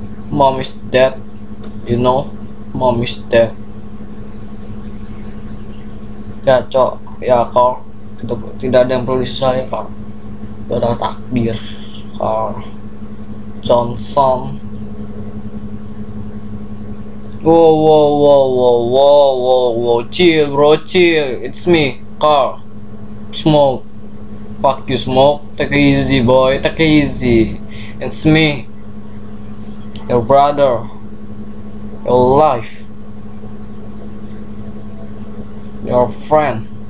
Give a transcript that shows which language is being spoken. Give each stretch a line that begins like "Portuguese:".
English: Mom is dead, you know, mom is dead.
Indonesian: Ya cok, ya kor, itu tidak ada yang perlu disesali kor, itu adalah takdir kor.
English: Johnson. Wow, chill bro, it's me, Carl. Smoke, fuck you smoke, take it easy boy, take it easy. It's me, your brother, your life, your friend.